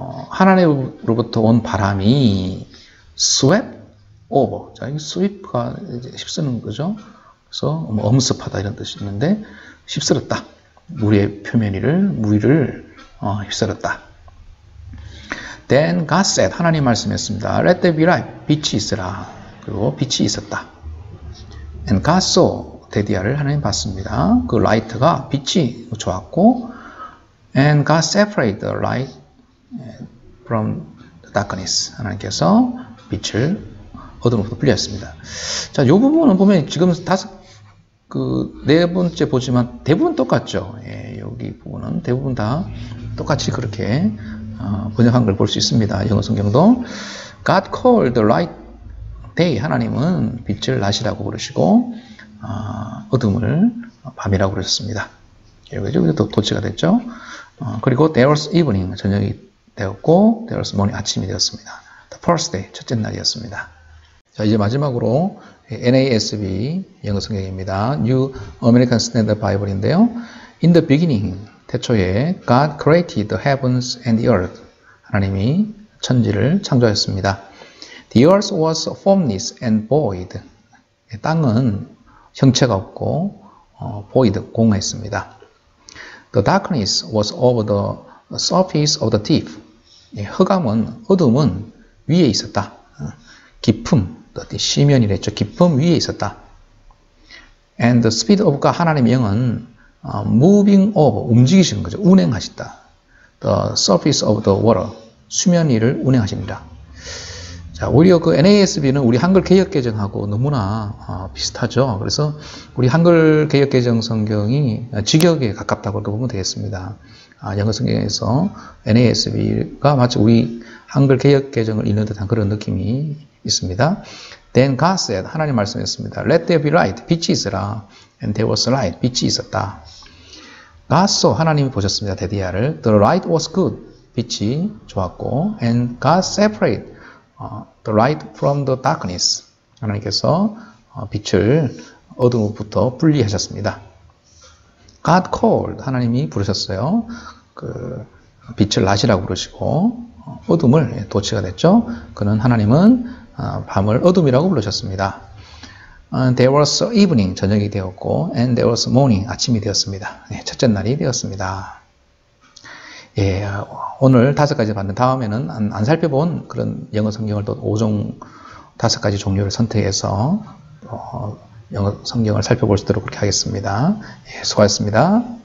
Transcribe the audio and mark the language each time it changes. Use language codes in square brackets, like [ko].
[ko] 하나님으로부터 온 바람이 [en] swept over. [ko] 자, 이 sweep가 이제 휩쓰는 거죠. 그래서 뭐 엄습하다 이런 뜻이 있는데 휩쓸었다. 물의 표면 위를 물을 휩쓸었다. [en] Then God said, [ko] 하나님 말씀했습니다. [en] Let there be light. [ko] 빛이 있으라. 그리고 빛이 있었다. [en] And God saw. [ko] 데디아를 하나님 봤습니다. [en] 그 light가 [ko] 빛이 좋았고 [en] And God separated the light from the darkness. [ko] 하나님께서 빛을 어둠으로부터 분리했습니다. 자, 요 부분은 보면 지금 다섯 그 네 번째 보지만 대부분 똑같죠. 예, 여기 부분은 대부분 다 똑같이 그렇게 번역한 걸 볼 수 있습니다. 영어 성경도 [en] God called the light day. [ko] 하나님은 빛을 낮이라고 부르시고 어둠을 밤이라고 그러셨습니다. 여기서 도치가 됐죠. [en] 그리고 there was evening. [ko] 저녁이 되었고 [en] there was morning. [ko] 아침이 되었습니다. [en] The first day. [ko] 첫째 날이었습니다. 자, 이제 마지막으로 NASB 영어 성경입니다. [en] New American Standard Bible인데요. In the beginning, [ko] 태초에 [en] God created the heavens and the earth. [ko] 하나님이 천지를 창조하셨습니다. [en] The earth was formless and void. [ko] 땅은 형체가 없고 void, 공허했습니다. [en] The darkness was over the surface of the deep. [ko] 흑암은, 어둠은 위에 있었다. 깊음. 시면이랬죠. 기쁨 위에 있었다. [en] And the speed of God, [ko] 하나님의 영은 [en] moving over, [ko] 움직이시는 거죠. 운행하셨다. [en] The surface of the water, [ko] 수면 위를 운행하십니다. 자, 오히려 그 NASB는 우리 한글 개역 개정하고 너무나 비슷하죠. 그래서 우리 한글 개역 개정 성경이 직역에 가깝다고 이렇게 보면 되겠습니다. 영어 성경에서 NASB가 마치 우리 한글 개역 개정을 읽는 듯한 그런 느낌이 있습니다. [en] Then God said, [ko] 하나님 말씀했습니다. [en] Let there be light. [ko] 빛이 있으라. [en] And there was light. [ko] 빛이 있었다. [en] God saw. [ko] 하나님이 보셨습니다. [en] 데디아를. The light was good. [ko] 빛이 좋았고. [en] And God separated the light from the darkness. [ko] 하나님께서 빛을 어둠으로부터 분리하셨습니다. [en] God called. [ko] 하나님이 부르셨어요. 그 빛을 낮이라고 부르시고 어둠을 도치가 됐죠. 그는 하나님은 밤을 어둠이라고 부르셨습니다. [en] There was evening, [ko] 저녁이 되었고 [en] and there was morning, [ko] 아침이 되었습니다. 네, 첫째 날이 되었습니다. 예, 오늘 다섯 가지 봤는데 다음에는 안 살펴본 그런 영어 성경을 또 5종 다섯 가지 종류를 선택해서 영어 성경을 살펴볼 수 있도록 그렇게 하겠습니다. 예, 수고하셨습니다.